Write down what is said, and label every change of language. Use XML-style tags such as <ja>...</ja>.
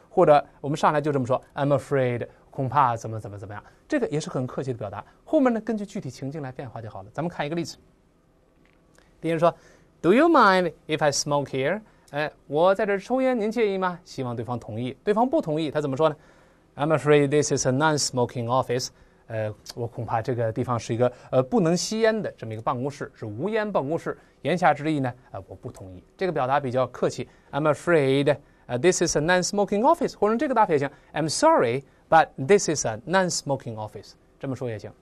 <zh>或者我们上来就这么说</zh> <en>I'm afraid</en> <zh>恐怕怎么怎么怎么样，这个也是很客气的表达，后面呢根据具体情境来变化就好了。咱们看一个例子，别人说</zh> <en>Do you mind if I smoke here？</en> <zh>我在这抽烟您介意吗？希望对方同意。对方不同意他怎么说呢？</zh> <en>I'm afraid this is a non-smoking office。</en> <zh>我恐怕这个地方是一个不能吸烟的这么一个办公室，是无烟办公室。言下之意呢，我不同意，这个表达比较客气。</zh> <en>I'm afraid this is a non-smoking office，</en> <zh>或者这个搭配也行，</zh> <en>I'm sorry but this is a non-smoking office，</en> <zh>这么说也行。</zh>